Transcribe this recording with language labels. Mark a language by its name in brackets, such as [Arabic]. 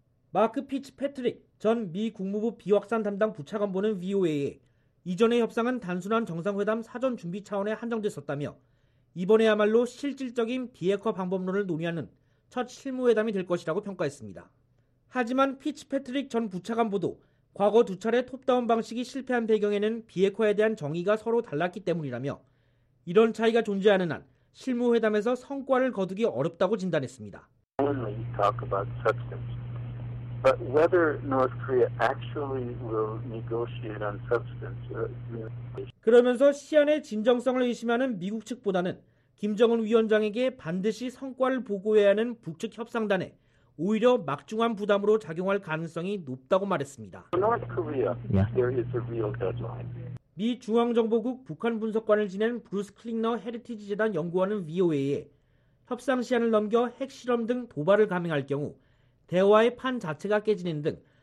[Korean] 마크 피츠 패트릭 전 미 국무부 비확산 담당 부차관보는 VOA에 이전의 협상은 단순한 정상회담 사전 준비 차원에 한정됐었다며 이번에야말로 실질적인 비핵화 방법론을 논의하는 첫 실무회담이 될 것이라고 평가했습니다. 하지만 피츠패트릭 전 부차관보도 과거 두 차례 톱다운 방식이 실패한 배경에는 비핵화에 대한 정의가 서로 달랐기 때문이라며 이런 차이가 존재하는 한 실무회담에서 성과를 거두기 어렵다고 진단했습니다. [English] But whether North Korea actually will negotiate on substance. [Korean] 그러면서 시한의 진정성을 의심하는 미국 측보다는 김정은 위원장에게 반드시 성과를 보고해야 하는 북측 협상단에 오히려 막중한 부담으로 작용할 가능성이 높다고 말했습니다. [English] North Korea, there is a real deadline. [Korean] 미 중앙정보국 북한 분석관을 지낸 브루스 클링너 헤리티지 재단 연구원은 VOA에 협상 시한을 넘겨 핵실험 등 도발을 감행할 경우 대화의 판 자체가 깨지는 등